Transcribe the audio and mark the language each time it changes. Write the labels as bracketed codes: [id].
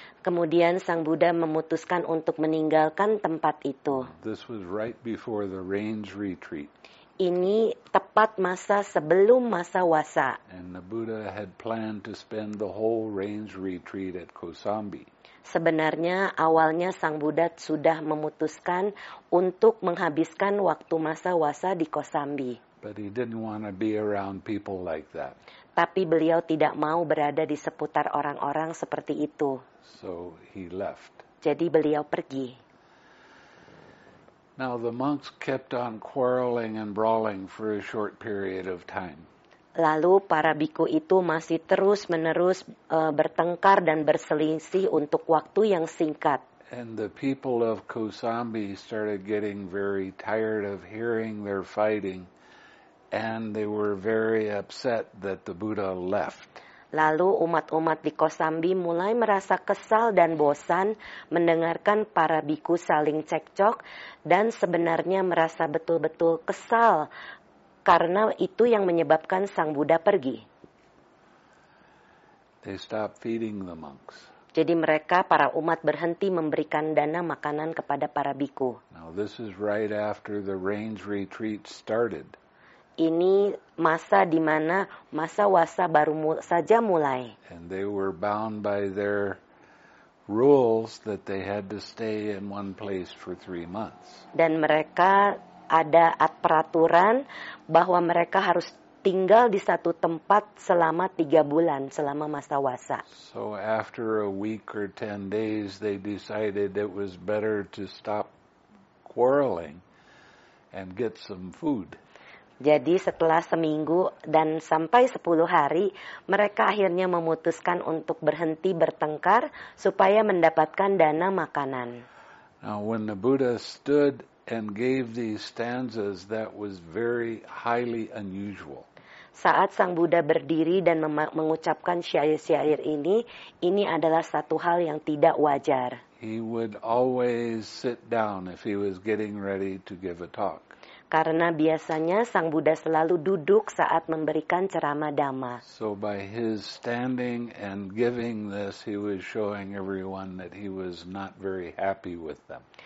[id] Kemudian Sang Buddha memutuskan untuk meninggalkan tempat itu. [en] This was right before the range retreat. [id] Ini tepat masa sebelum masa wasa. [en] And the Buddha had planned to spend the whole range retreat at Kosambi. [id] Sebenarnya awalnya Sang Buddha sudah memutuskan untuk menghabiskan waktu masa wasa di Kosambi. [en] But he didn't want to be around people like that. [id] Tapi beliau tidak mau berada di seputar orang-orang seperti itu. [en] So he left. [id] Jadi beliau pergi. [en] Now the monks kept on quarreling and brawling for a short period of time. [id] Lalu para bhikkhu itu masih terus-menerus bertengkar dan berselisih untuk waktu yang singkat. [en] And the people of Kosambi started getting very tired of hearing their fighting, and they were very upset that the Buddha left. [id] Lalu umat-umat di Kosambi mulai merasa kesal dan bosan mendengarkan para bhikkhu saling cekcok dan sebenarnya merasa betul-betul kesal karena itu yang menyebabkan Sang Buddha pergi. [en] They stopped feeding the monks. [id] Jadi mereka, para umat, berhenti memberikan dana makanan kepada para bhikkhu. [en] Now this is right after the range retreat started. [id] Ini masa di mana masa wasa baru saja mulai. [en] And they were bound by their rules that they had to stay in one place for 3 months. [id] Dan mereka ada peraturan bahwa mereka harus tinggal di satu tempat selama 3 bulan, selama masa wasa. [en] So after a week or 10 days, they decided it was better to stop quarreling and get some food. [id] Jadi setelah seminggu dan sampai 10 hari, mereka akhirnya memutuskan untuk berhenti bertengkar supaya mendapatkan dana makanan. [en] Now when the Buddha stood and gave these stanzas, that was very highly unusual. [id] Saat Sang Buddha berdiri dan mengucapkan syair-syair ini adalah satu hal yang tidak wajar. [en] He would always sit down if he was getting ready to give a talk. [id] Karena biasanya Sang Buddha selalu duduk saat memberikan ceramah dhamma. [en] So by his standing and giving this, he was showing everyone that he was not very happy with them.